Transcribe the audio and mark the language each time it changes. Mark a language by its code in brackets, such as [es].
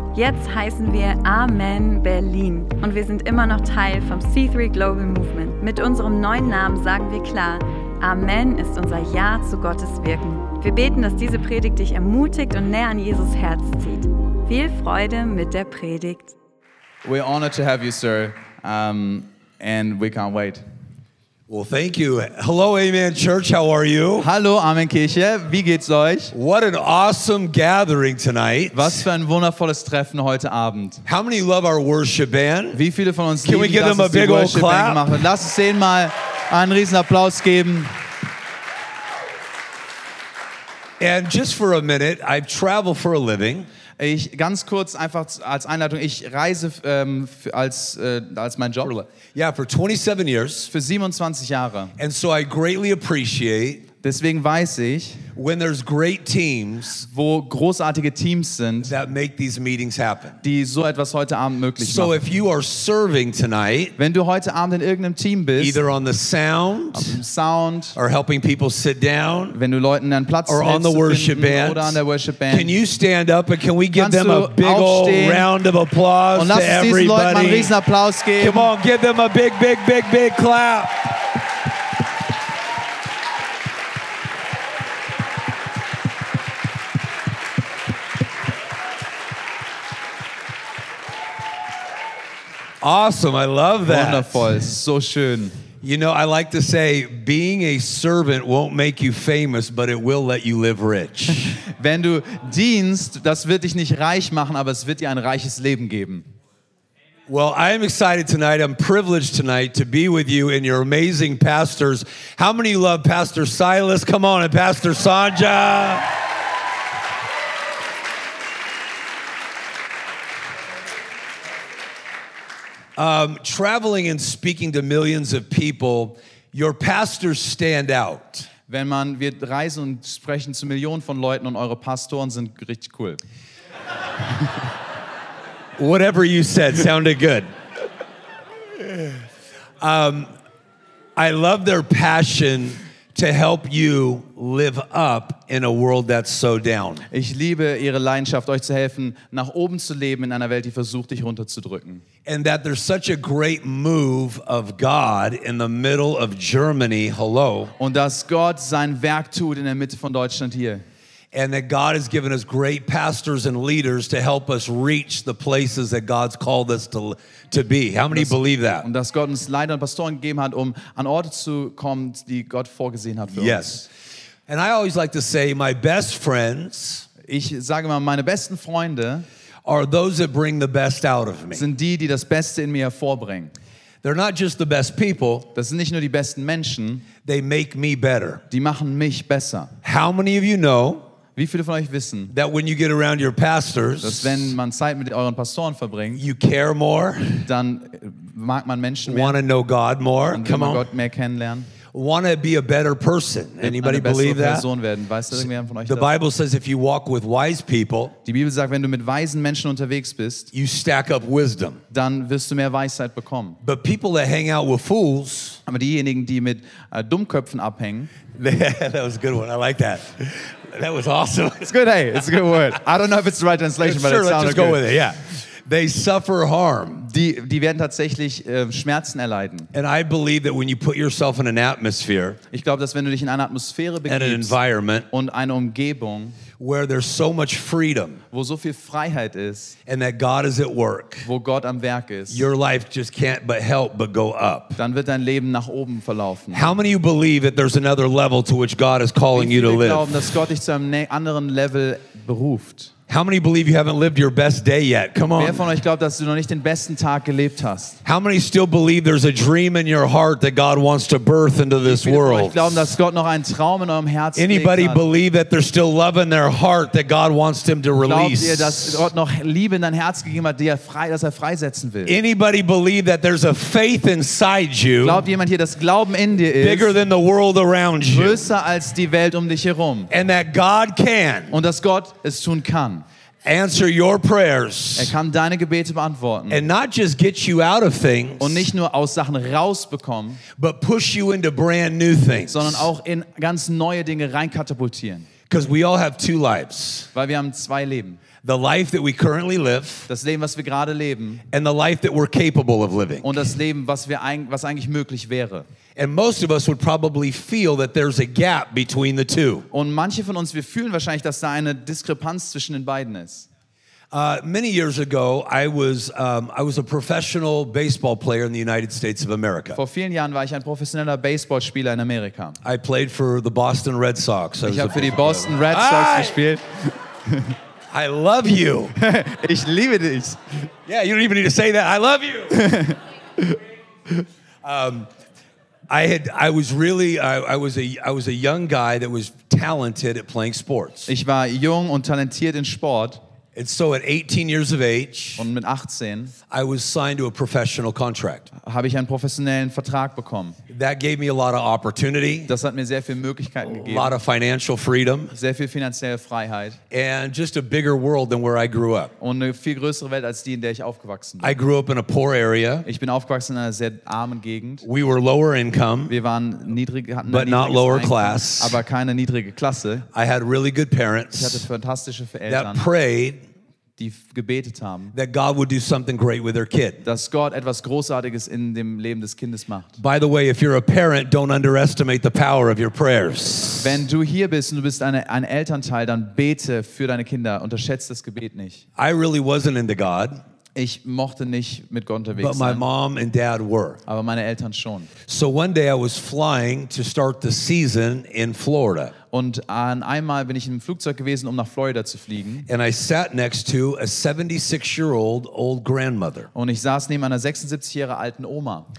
[de] Jetzt heißen wir Amen Berlin und wir sind immer noch Teil vom C3 Global Movement. Mit unserem neuen Namen sagen wir klar, Amen ist unser Ja zu Gottes Wirken. Wir beten, dass diese Predigt dich ermutigt und näher an Jesus Herz zieht. Viel Freude mit der Predigt. [en] We're honored to have you, sir, and we can't wait. Well, thank you. Hello, Amen Church. How are you? [de] Hallo, Amen Kirche. Wie geht's euch? [en] What an awesome gathering tonight. [de] Was für ein wundervolles Treffen heute Abend. [en] How many love our worship band? [de] Wie viele von uns [en] Can [de] lieben, [en] we give them a big old clap? [de] Machen. Lass uns denen mal einen riesen Applaus geben. [en] And just for a minute, I travel for a living. [de] Ich ganz kurz einfach als Einleitung, ich reise als mein Job. [en] Yeah, for 27 years. [de] Für 27 Jahre. [en] And so I greatly appreciate. [de] Deswegen weiß ich, [en] when there's great teams, [de] wo großartige Teams sind, [en] that make these meetings happen. [de] Die so etwas heute Abend möglich so machen. [en] If you are serving tonight, [de] wenn du heute Abend in irgendeinem Team bist, [en] either on the sound, [de] auf dem Sound, [en] or helping people sit down, [de] wenn du Leuten einen Platz [en] or on the worship band, [de] oder an der Worship Band, [en] can you stand up and can we give them a big [de] aufstehen? [en] Old round of applause [de] und lass [en] to everybody? [de] Diesen Leuten mal einen riesen Applaus geben. [en] Come on, give them a big, big, big, big clap. Awesome, I love that. [de] Wundervoll, so schön. [en] You know, I like to say, being a servant won't make you famous, but it will let you live rich. [de] Wenn du dienst, das wird dich nicht reich machen, aber es wird dir ein reiches Leben geben. [en] Well, I am excited tonight. I'm privileged tonight to be with you and your amazing pastors. How many love Pastor Silas? Come on, and Pastor Sanja. Traveling and speaking to millions of people, your pastors stand out. [de] Wenn man wird reisen und sprechen zu Millionen von Leuten und eure Pastoren sind richtig cool. [en] Whatever you said sounded good. I love their passion to help you live up in a world that's so down. [de] Ich liebe ihre Leidenschaft, euch zu helfen, nach oben zu leben in einer Welt, die versucht, dich runterzudrücken. [en] And that there's such a great move of God in the middle of Germany. Hello. [de] Und dass Gott sein Werk tut in der Mitte von Deutschland hier. [en] And that God has given us great pastors and leaders to help us reach the places that God's called us to be. How many believe that? [de] Und dass Gott uns Leiter und Pastoren gegeben hat, um an Orte zu kommen, die Gott vorgesehen hat für uns. [en] Yes. And I always like to say my best friends, [de] ich sage mal meine besten Freunde, [en] are those that bring the best out of me. [de] Sind die, die das Beste in mir hervorbringen. [en] They're not just the best people. [de] Das sind nicht nur die besten Menschen. [en] They make me better. [de] Die machen mich besser. [en] How many of you know? [de] Wie viele von euch wissen? [en] That when you get around your pastors, [de] dass wenn man Zeit mit euren Pastoren verbringt, [en] you care more. [de] Dann mag man Menschen mehr. [en] Want to know God more? Come on. [de] Gott mehr kennenlernen. [en] Want to be a better person? Anybody believe that? [de] Person werden. Weißt du, irgendjemand von euch [en] the Bible says if you walk with wise people, [de] die Bibel sagt, wenn du mit weisen Menschen unterwegs bist, [en] you stack up wisdom. [de] Dann wirst du mehr Weisheit bekommen. [en] But people that hang out with fools, [de] aber diejenigen, die mit Dummköpfen abhängen, [en] that was a good one. I like that. That was awesome. It's good. Hey, it's a good word. I don't know if it's the right translation, sure, but it sounds good. Sure, let's go with it. Yeah. They suffer harm. [de] Die werden tatsächlich Schmerzen erleiden. [en] And I believe that when you put yourself in an atmosphere, [de] ich glaube, dass wenn du dich in einer Atmosphäre begibst, [en] an environment, [de] und eine Umgebung, [en] where there's so much freedom, [de] wo so viel Freiheit ist, [en] and that God is at work, [de] wo Gott am Werk ist, [en] your life just can't but help but go up. [de] Dann wird dein Leben nach oben verlaufen. [en] How many of you believe that there's another level to which God is calling you to live? [de] Wie viele glauben, dass Gott dich zu einem anderen Level beruft? [en] How many believe you haven't lived your best day yet? Come on. [de] Wer von euch glaubt, dass du noch nicht den besten Tag gelebt hast? [en] How many still believe there's a dream in your heart that God wants to birth into this world? [de] Wer von euch glaubt, dass Gott noch einen Traum in eurem Herzen legt? [en] Anybody believe that there's still love in their heart that God wants them to release? [de] Glaubt ihr, dass Gott noch Liebe in dein Herz gegeben hat, dass er freisetzen will? [en] Anybody believe that there's a faith inside you? [de] Glaubt jemand hier, dass Glauben in dir ist? [en] Bigger than the world around you. [de] Größer als die Welt um dich herum. [en] And that God can. [de] Und dass Gott es tun kann. [en] answer your prayers. [de] Er kann deine Gebete beantworten. [en] And not just get you out of things. [de] Und nicht nur aus Sachen rausbekommen. [en] But push you into brand new things. [de] Sondern auch in ganz neue Dinge reinkatapultieren. [en] Because we all have two lives. [de] Weil wir haben zwei Leben. [en] The life that we currently live. [de] Das Leben, was wir gerade leben. [en] And the life that we're capable of living. [de] Und das Leben, was eigentlich möglich wäre. [en] And most of us would probably feel that there's a gap between the two. [de] Und manche von uns, wir fühlen wahrscheinlich, dass da eine Diskrepanz zwischen den beiden ist. [en] Many years ago, I was a professional baseball player in the United States of America. [de] Vor vielen Jahren war ich ein professioneller Baseballspieler in Amerika. [en] I played for the Boston Red Sox. [de] Ich habe für die Boston Red Sox gespielt. [en] I love you. [de] Ich liebe dich. [en] Yeah, you don't even need to say that. I love you. I was a young guy that was talented at playing sports. [de] Ich war jung und talentiert in Sport. [en] And so at 18 years of age, [de] und mit 18, [en] I was signed to a professional contract. [de] Habe ich einen professionellen Vertrag bekommen. [en] That gave me a lot of opportunity. [de] Das hat mir sehr viel Möglichkeiten gegeben. [en] A lot of financial freedom. [de] Sehr viel finanzielle Freiheit. [en] And just a bigger world than where I grew up. [de] Und eine viel größere Welt als die, in der ich aufgewachsen bin. [en] I grew up in a poor area. [de] Ich bin aufgewachsen in einer sehr armen Gegend. [en] We were lower income. [de] Wir waren niedrig, hatten [en] but not lower class. [de] Aber keine niedrige Klasse. [en] I had really good parents. [de] Ich hatte fantastische Eltern. [en] That prayed. [de] Die gebetet haben, [en] that God would do something great with their kid. [de] Dass Gott etwas Großartiges in dem Leben des Kindes macht. [en] By the way, if you're a parent, don't underestimate the power of your prayers. [de] Wenn du hier bist und du bist ein Elternteil, dann bete für deine Kinder. Unterschätzt das Gebet nicht. [en] I really wasn't into God. [de] Ich mochte nicht mit Gott unterwegs [en] but my [de] sein. [en] Mom and dad were. [de] Aber meine Eltern schon. [en] So one day I was flying to start the season in Florida. [de] Und einmal bin ich im Flugzeug gewesen, um nach Florida zu fliegen. [en] And I sat next to a 76-year-old grandmother. [de] Und ich saß neben einer 76-jährigen alten Oma.